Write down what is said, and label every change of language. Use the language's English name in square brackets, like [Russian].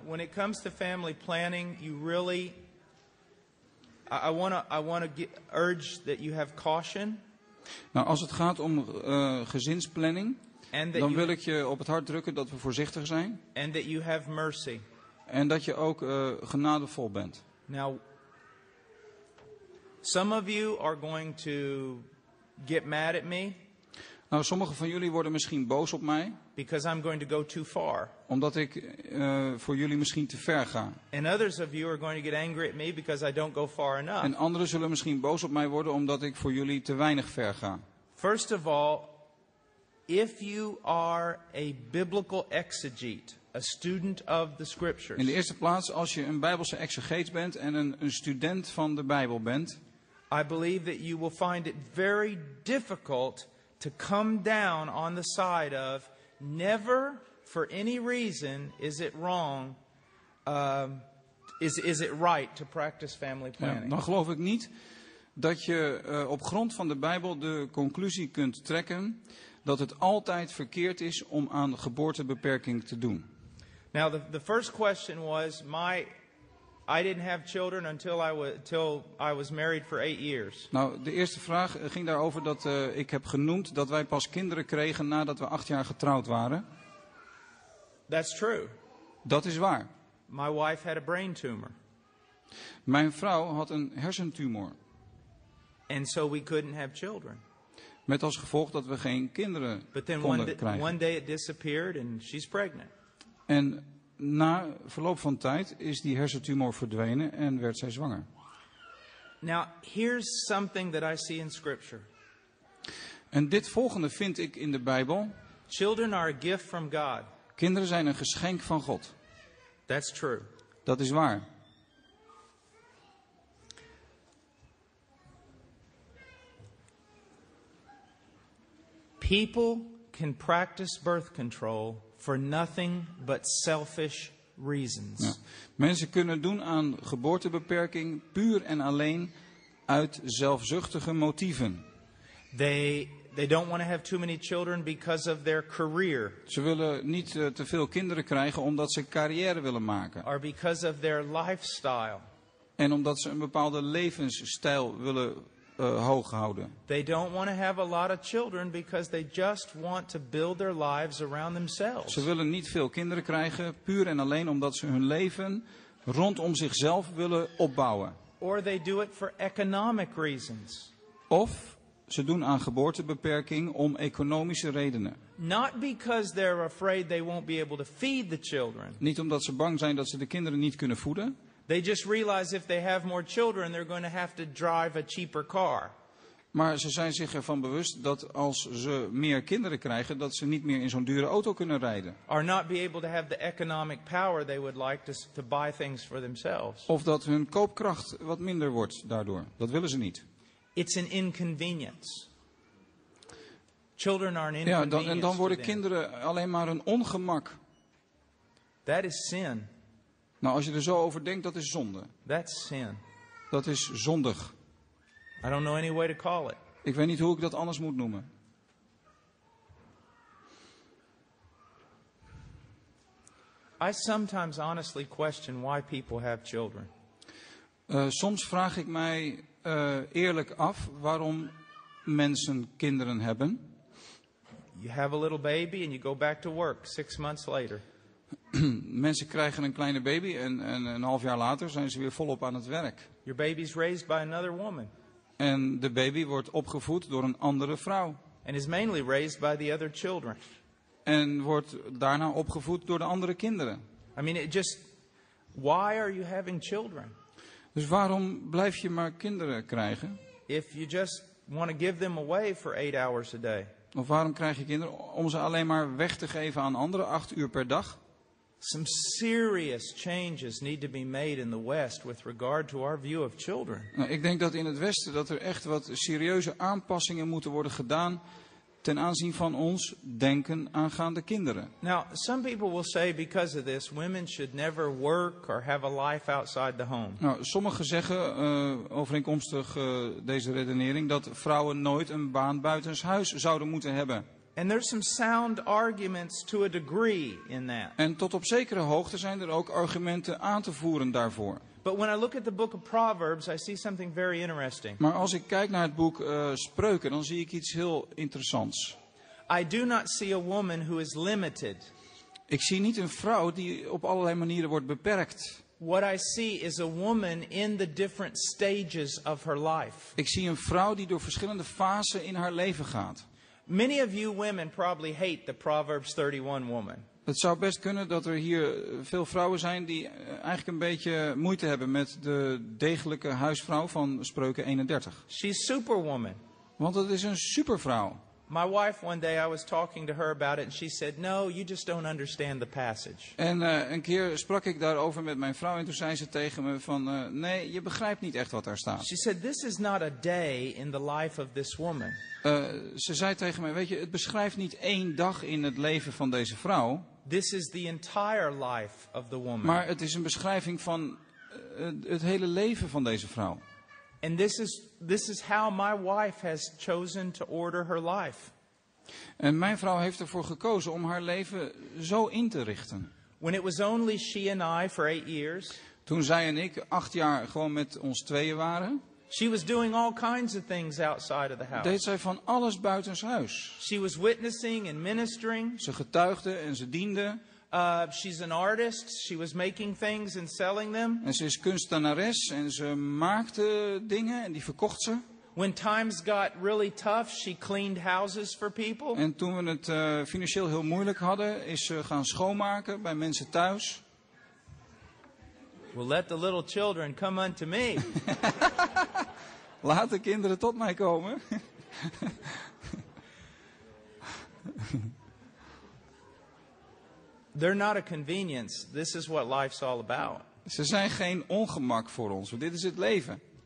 [English] When it comes to family planning, you really I want to urge that you have caution. [Dutch] Nou, als het gaat om gezinsplanning, dan wil ik je op het hart drukken dat we voorzichtig zijn. [English] And that you have mercy. [Dutch] En dat je ook genadevol bent. [English] Now, some of you are going to get mad at me. [Dutch] Nou, sommige van jullie worden misschien boos op mij. [English] Because I'm going to go too far. [Dutch] Omdat ik voor jullie misschien te ver ga. [English] And others of you are going to get angry at me because I don't go far enough. [Dutch] En anderen zullen misschien boos op mij worden omdat ik voor jullie te weinig ver ga. [English] First of all, if you are a biblical exegete, a student of the scriptures. [Dutch] In de eerste plaats, als je een Bijbelse exegeet bent en een student van de Bijbel bent, [English] I believe that you will find it very difficult to come down on the side of never for any reason is it wrong, is it right to practice family planning. [Dutch] Ja, dan geloof ik niet dat je op grond van de Bijbel de conclusie kunt trekken dat het altijd verkeerd is om aan geboortebeperking te doen. [English] Now the first question was I didn't have children until I was married for 8 years. [Dutch] Nou, de eerste vraag ging daarover dat ik heb genoemd dat wij pas kinderen kregen nadat we 8 jaar getrouwd waren. [English] That's true. [Dutch] Dat is waar. [English] My wife had a brain tumor. [Dutch] Mijn vrouw had een hersentumor. [English] And so we couldn't have children. [Dutch] Met als gevolg dat we geen kinderen konden krijgen. [English] But then one day it disappeared and she's pregnant. [Dutch] En na verloop van tijd is die hersentumor verdwenen en werd zij zwanger. [English] Now, here's something that I see in scripture. [Dutch] En dit volgende vind ik in de Bijbel. [English] Children are a gift from God. [Dutch] Kinderen zijn een geschenk van God. [English] That's true. [Dutch] Dat is waar. [English] People can practice birth control for nothing but selfish reasons. [Dutch] Ja. Mensen kunnen doen aan geboortebeperking puur en alleen uit zelfzuchtige motieven. [English] They don't want to have too many children because of their career. [Dutch] Ze willen niet te veel kinderen krijgen omdat ze carrière willen maken. [English] Or because of their lifestyle. [Dutch] En omdat ze een bepaalde levensstijl willen hoog houden. [English] They don't want to have a lot of children because they just want to build their lives around themselves. [Dutch] Ze willen niet veel kinderen krijgen puur en alleen omdat ze hun leven rondom zichzelf willen opbouwen. [English] Or they do it for economic reasons. [Dutch] Of ze doen aan geboortebeperking om economische redenen. [English] Not because they're afraid they won't be able to feed the children. [Dutch] Niet omdat ze bang zijn dat ze de kinderen niet kunnen voeden. [English] They just realize if they have more children, they're going to have to drive a cheaper car. [Dutch] Maar ze zijn zich ervan bewust dat als ze meer kinderen krijgen, dat ze niet meer in zo'n dure auto kunnen rijden. [English] Or not be able to have the economic power they would like to buy things for themselves. [Dutch] Of dat hun koopkracht wat minder wordt daardoor. Dat willen ze niet. [English] It's an inconvenience. Children are an inconvenience. [Dutch] Ja, dan worden kinderen alleen maar een ongemak. [English] That is sin. [Dutch] Nou, als je er zo over denkt, dat is zonde. [English] That's sin. [Dutch] Dat is zondig. [English] I don't know any way to call it. [Dutch] Ik weet niet hoe ik dat anders moet noemen. [English] I sometimes honestly question why people have children. [Dutch] Soms vraag ik mij eerlijk af waarom mensen kinderen hebben. [English] You have a little baby and you go back to work 6 months later. [Dutch] Mensen krijgen een kleine baby en een half jaar later zijn ze weer volop aan het werk. [English] Your baby's raised by another woman. [Dutch] En de baby wordt opgevoed door een andere vrouw. [English] And is mainly raised by the other children. [Dutch] En wordt daarna opgevoed door de andere kinderen. [English] I mean, why are you having children? [Dutch] Dus waarom blijf je maar kinderen krijgen? [English] If you just want to give them away for 8 hours a day. [Dutch] Of waarom krijg je kinderen om ze alleen maar weg te geven aan anderen 8 uur per dag? [English] Some serious changes need to be made in the West with regard to our view of children. [Dutch] Nou, ik denk dat in het Westen dat er echt wat serieuze aanpassingen moeten worden gedaan ten aanzien van ons denken aangaande kinderen. [English] Now, some people will say because of this, women should never work or have a life outside the home. [Dutch] Nou, sommigen zeggen overeenkomstig deze redenering dat vrouwen nooit een baan buitenshuis zouden moeten hebben. [English] And there's some sound arguments to a degree in that. [Dutch] En tot op zekere hoogte zijn er ook argumenten aan te voeren daarvoor. [English] But when I look at the book of Proverbs, I see something very interesting. [Dutch] Maar als ik kijk naar het boek Spreuken, dan zie ik iets heel interessants. [English] I do not see a woman who is limited. [Dutch] Ik zie niet een vrouw die op allerlei manieren wordt beperkt. [English] What I see is a woman in the different stages of her life. [Dutch] Ik zie een vrouw die door verschillende fasen in haar leven gaat. [English] Many of you women probably hate the Proverbs 31 woman. [Dutch] Het zou best kunnen dat er hier veel vrouwen zijn die eigenlijk een beetje moeite hebben met de degelijke huisvrouw van Spreuken 31. [English] She's superwoman. [Dutch] Want het is een supervrouw. [English] My wife one day I was talking to her about it and she said, "No, you just don't understand the passage." [Dutch] En een keer sprak ik daarover met mijn vrouw en toen zei ze tegen me van nee, je begrijpt niet echt wat daar staat. [English] She said, "This is not a day in the life of this woman." [Dutch] Ze zei tegen mij, weet je, het beschrijft niet één dag in het leven van deze vrouw. [English] This is the entire life of the woman. [Dutch] Maar het is een beschrijving van het hele leven van deze vrouw. [English] And this is how my wife has chosen to order her life. [Dutch] En mijn vrouw heeft ervoor gekozen om haar leven zo in te richten. [English] When it was only she and I for 8 years. [Dutch] Toen zij en ik 8 jaar gewoon met ons tweeën waren. [English] She was doing all kinds of things outside of the house. [Dutch] Deed zij van alles buitenshuis. [English] She was witnessing and ministering. [Dutch] Ze getuigde en ze diende. [English] She's an artist. She was making things and selling them. [Dutch] En ze is kunstenares en ze maakte dingen en die verkocht ze. [English] When times got really tough, she cleaned houses for people. [Dutch] En toen we het financieel heel moeilijk hadden, is ze gaan schoonmaken bij mensen thuis. [English] Well, let the little children come unto me. [Dutch] Laat de kinderen tot mij komen. [English] They're not a convenience. This is what life's all about. [Dutch] Ze zijn geen ongemak voor ons, want dit is het leven.